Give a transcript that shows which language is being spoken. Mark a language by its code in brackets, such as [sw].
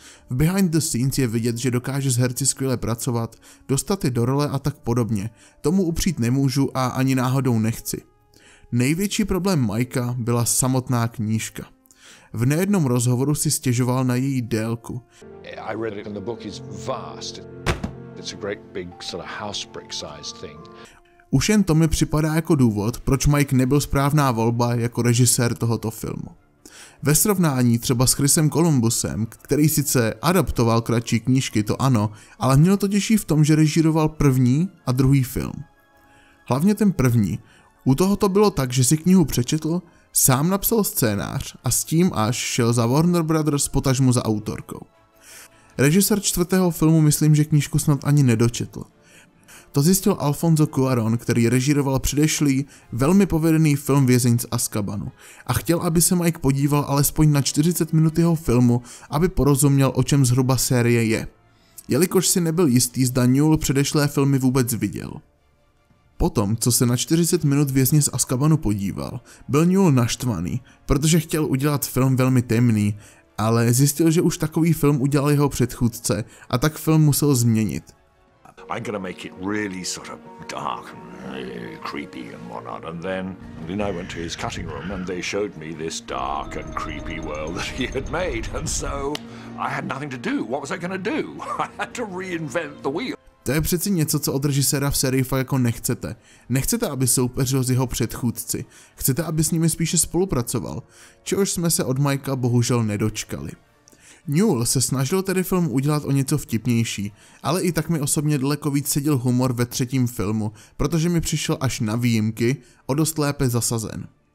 [cs] V Behind the Scenes je vidět, že dokáže s herci skvěle pracovat, dostat je do role a tak podobně, tomu upřít nemůžu a ani náhodou nechci. Největší problém Mikea byla samotná knížka. V nejednom rozhovoru si stěžoval na její délku. [en] I read it and the book is vast. It's a great big sort of house brick sized thing. [cs] Už jen to mi připadá jako důvod, proč Mike nebyl správná volba jako režisér tohoto filmu. Ve srovnání třeba s Chrisem Columbusem, který sice adaptoval kratší knížky, to ano, ale mělo to těžší v tom, že režíroval první a druhý film. Hlavně ten první. U toho to bylo tak, že si knihu přečetl, sám napsal scénář a s tím až šel za Warner Brothers potažmu za autorkou. Režisér čtvrtého filmu myslím, že knížku snad ani nedočetl. To zjistil Alfonso Cuarón, který režíroval předešlý, velmi povedený film Vězeň z Azkabanu a chtěl, aby se Mike podíval alespoň na 40 minut jeho filmu, aby porozuměl, o čem zhruba série je. Jelikož si nebyl jistý, zda Newell předešlé filmy vůbec viděl. Potom, co se na 40 minut Vězně z Azkabanu podíval, byl Newell naštvaný, protože chtěl udělat film velmi temný, ale zjistil, že už takový film udělal jeho předchůdce a tak film musel změnit. [en] I'm gonna make it really sort of dark and creepy and whatnot, and then I went to his cutting room and they showed me this dark and creepy world that he had made, and so I had nothing to do. What was I gonna do? I had to reinvent the wheel. [cs] To je přeci něco, co od režiséra v sérii fakt jako nechcete. Nechcete, aby soupeřil s jeho předchůdci. Chcete, aby s nimi spíše spolupracoval. Čehož jsme se od Mikea bohužel nedočkali. Newell se snažil tedy film udělat o něco vtipnější, ale i tak mi osobně daleko víc seděl humor ve třetím filmu, protože mi přišel až na výjimky o dost lépe zasazen.